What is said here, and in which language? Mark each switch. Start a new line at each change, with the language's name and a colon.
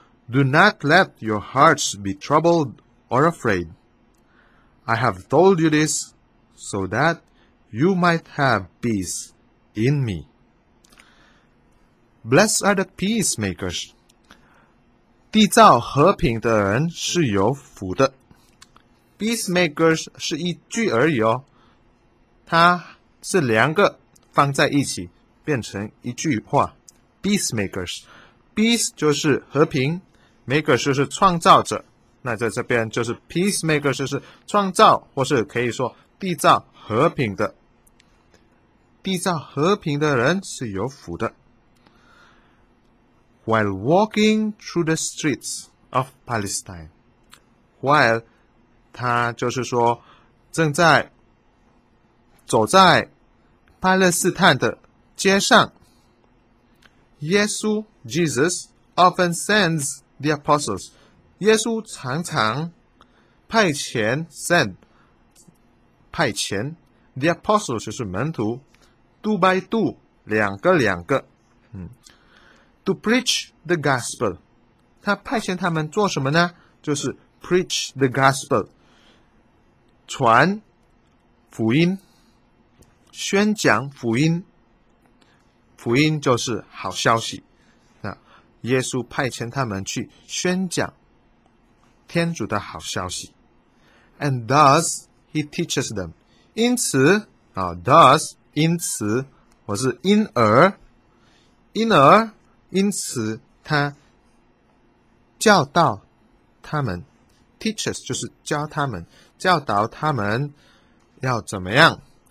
English: Do not let your hearts be troubled or afraid. I have told you this so that you might have peace in me. Blessed are the peacemakers.
Chinese: 缔造和平的人是有福的。Peacemakers 是一句而已哦，它是两个放在一起变成一句话。 Peacemakers， peace 就是和平， maker 就是创造者，那在这边就是 peacemakers 是创造或是可以说缔造和平的。缔造和平的人是有福的。
English: While walking through the streets of Palestine， while
Chinese: 他就是说正在走在巴勒斯坦的街上。
English: 耶稣 Jesus often sends the apostles.
Chinese: 耶稣常常派遣
English: send,
Chinese: 派遣
English: the apostles
Chinese: 就是门徒
English: two by two,
Chinese: 两个两个、
English: to preach the gospel.
Chinese: 他派遣他们做什么呢？就是
English: preach the gospel.
Chinese: 传福音，宣讲福音，福音就是好消息。那耶稣派遣他们去宣讲天主的好消息。
English: And thus he teaches them.
Chinese: 因此啊 ，thus 因此，或是因而，因而因此，他教导他们。 Teaches 就是教他们，教导他们要怎么样。